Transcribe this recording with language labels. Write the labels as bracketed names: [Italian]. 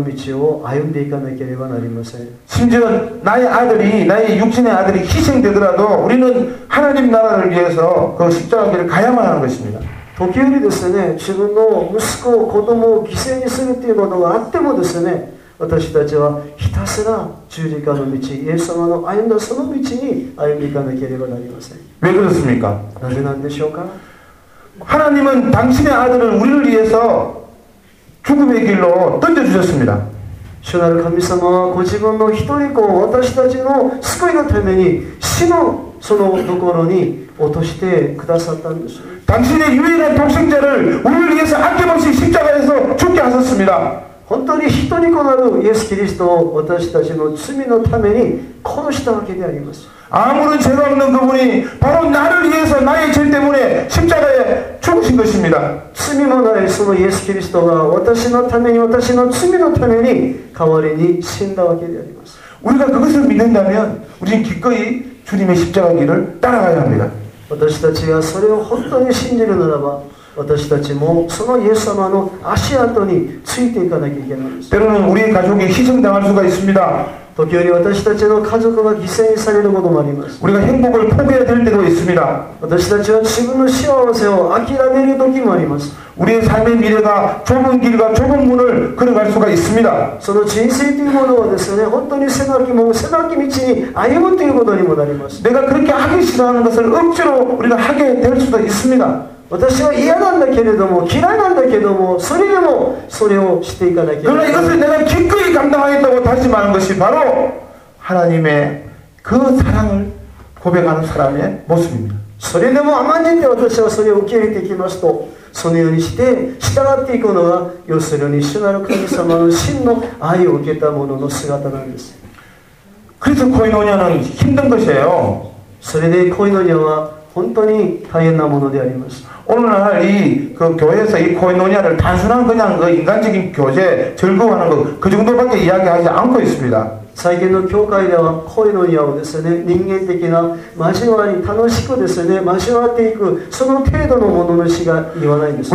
[Japanese] それが本当に辛いものであっても、大変なものであっても、それでも私たちは十字架の道を歩んでいかなければなりません。 [Korean] 심지어 나의 아들이 나의 육신의 아들이 희생되더라도 우리는 하나님 나라를 위해서 그 십자가의 길을 가야만 하는 것입니다. [Japanese] 時折ですね、自分の息子を子供を犠牲にするっていうことがあってもですね、私たちはひたすら十字架の道、イエス様の歩んだその道に歩んでいかなければなりません。 [Korean] 왜 그렇습니까? [Japanese] なぜなんでしょうか? [Korean] 하나님은 당신의 아들을 우리를 위해서 죽음의 길로 던져주셨습니다. [Japanese] 주나る神様はご自分の一人子を私たちの救いのために死のそのところに落としてくださったんです。 [Korean] 당신의유일한독생자를우리를위해서아낌없이십자가에서죽게하셨습니다 [Japanese] 本当に人に子なるイエス・キリストを私たちの罪のために殺したわけであります。 [Korean] 아무런죄가없는그분이바로나를위해서나의죄때문에십자가에죽으신것입니다 [Japanese] 罪もないそのイエス・キリストが私のために私の罪のために代わりに死んだわけであります。 [Korean] 우리가그것을믿는다면우리는기꺼이주님의십자가길을따라가야합니다 [Japanese] 私たちがそれを本当に信じるならば私たちもそのイエス様の足跡についていかなきゃいけないんです。 [Korean] 때로는우리의가족이희생당할수가있습니다 [Japanese] 時折私たちの家族が犠牲されることもあります [Korean] 우리가행복을포기해야될때도있습니다 [Japanese] 私たちは自分の幸せを諦める時もあります。 [Korean] 우리의삶의미래가좁은길과좁은문을걸어갈수가있습니다 [Japanese] その人生というものはですね本当に狭き門狭き道に歩むということにもなります [Korean] 내가그렇게하기싫어하는것을억지로우리가하게될수도있습니다 [Japanese] 私は嫌なんだけれども嫌いなんだけどもそれでもそれをしていかなきゃいけない [Korean] 그러나이것을내가기꺼이감당하겠다고다짐하는것이바로하나님의그사랑을고백하는사람의모습입니다 [Japanese] それでも甘んじて私はそれを受け入れていきますとそのようにして従っていくのは要するに主なる神様の真の愛を受けた者の姿なんです。 [Korean] 그래서코이노냐는힘든것이에요 [Japanese] それでコイノニアは本当に大変なものであります。 [Korean] 오늘날이그교회에서이코이노니아를단순한그냥그인간적인교제즐거워하는것그정도밖에이야기하지않고있습니다 [Japanese] 最近の教会ではコイノニアをですね人間的な交わり楽しくですね交わっていくその程度のものの詩が言わないんです